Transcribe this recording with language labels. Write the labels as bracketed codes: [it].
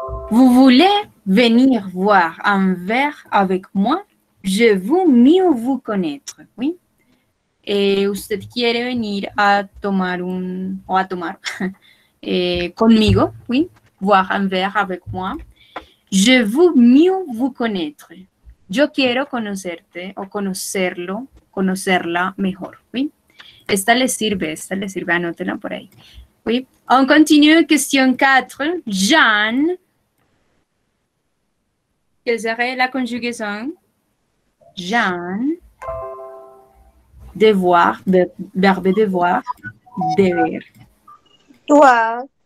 [fr] Vous voulez venir voir un verre avec moi? Je veux mieux vous connaître, oui. Et [es] usted quiere venir a tomar un, o a tomar conmigo, [fr] oui, voir un verre avec moi. Je veux mieux vous connaître. [es] Yo quiero conocerte o conocerlo, conocerla mejor, oui. Esta le sirve, anótela por ahí. [fr] Oui. On continue, question 4. Jean, quelle serait la conjugaison? Jean, devoir, verbe devoir, devoir.